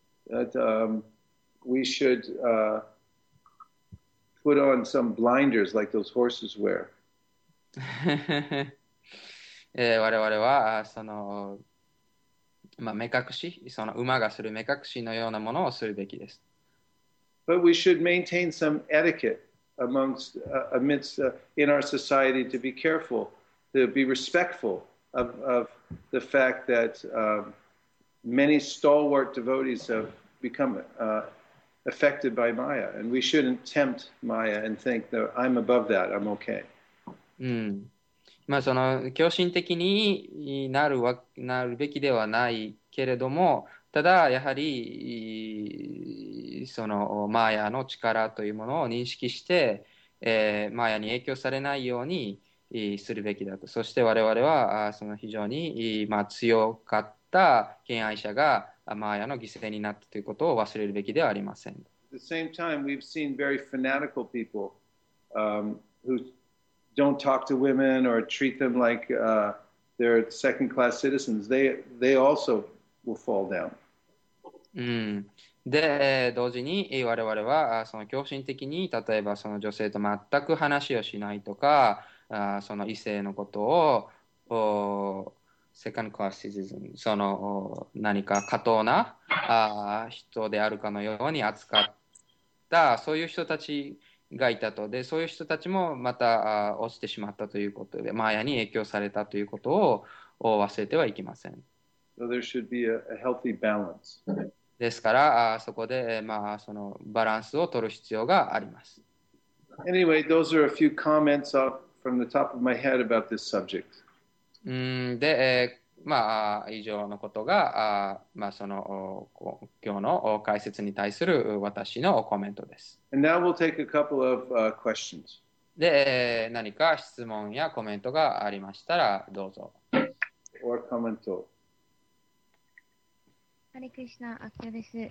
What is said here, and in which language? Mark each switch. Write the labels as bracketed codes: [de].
[en] That we should put on some blinders like those horses wear. [ja] 我々は、目隠し、その馬がする目隠しのようなものをするべきです。 [en] But we should maintain some etiquette amongst amidst in our society to be careful, to be respectful of the fact that many stalwart devotees have become affected by Maya, and we shouldn't tempt Maya and think that I'm above that, I'm okay. [ja] その狂信的になるわ、なるべきではないけれども、ただ、やはりそのマヤの力というものを認識して、マヤに影響されないようにするべきだと。そして我々は、その非常に、強かった敬愛者がマヤの犠牲になったということを忘れるべきではありません。 [en] At the same time, we've seen very fanatical people who don't talk to women or treat them like they're second-class citizens. They also will fall down. [ja] で、同時に我々は、その狂信的に、例えばその女性と全く話をしないとか、その異性のことを、セカンドクラスシティズン、その何か下等な人であるかのように扱った、そういう人たちがいたと。で、そういう人たちもまた落ちてしまったということで、マヤに影響されたということを忘れてはいけません。 [en] So there should be a healthy balance. [ja] ですから、そこで、そのバランスを取る必要があります。 [en] Anyway, those are a few comments off from the top of my head about this subject. [ja] で、以上のことが、今日の解説に対する私のコメントです。 [en] And now we'll take a couple of questions. [ja] で、何か質問やコメントがありましたら、どうぞ。 [en] Or commento. [ja] ハリクリシュナ、アキヨです。